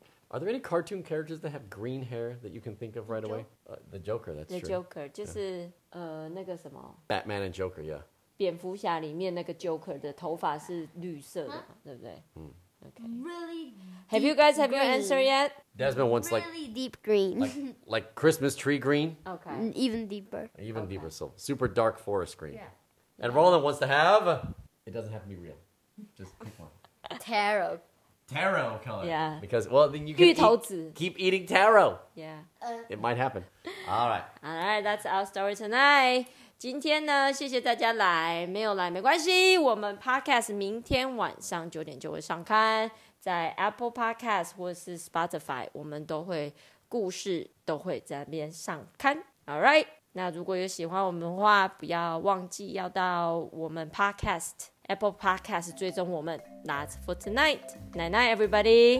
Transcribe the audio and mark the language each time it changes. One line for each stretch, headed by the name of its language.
English: Are there any cartoon characters that have green hair that you can think of right away? The Joker, that's true.
Chinese: The Joker, 就是、那个什么。
English: Batman and Joker, yeah.
Chinese: 蝙蝠侠里面那个 Joker 的头发是绿色的、
English: 对不对、Okay. Really Have you guys have your answer yet? Desmond wants like... Really deep green. like Christmas tree green. Okay. Even deeper. Even deeper, so super dark forest green. Yeah. And Roland wants to have, it doesn't have to be real, just pick one. Taro. Taro color. Yeah. Because, well, then you can keep eating taro. Yeah. It might happen. All right. All right, that's our story tonight.
Chinese: 今天呢，谢谢大家来，没有来没关系，我们 podcast 明天晚上九点就会上刊，在 Apple Podcast 或是 Spotify, 我们都会故事都会在那边上刊。
English: All right.
Chinese: 那如果有喜欢我们的话不要忘记要到我们 podcast Apple podcast 追踪我们
English: That's for tonight Night night everybody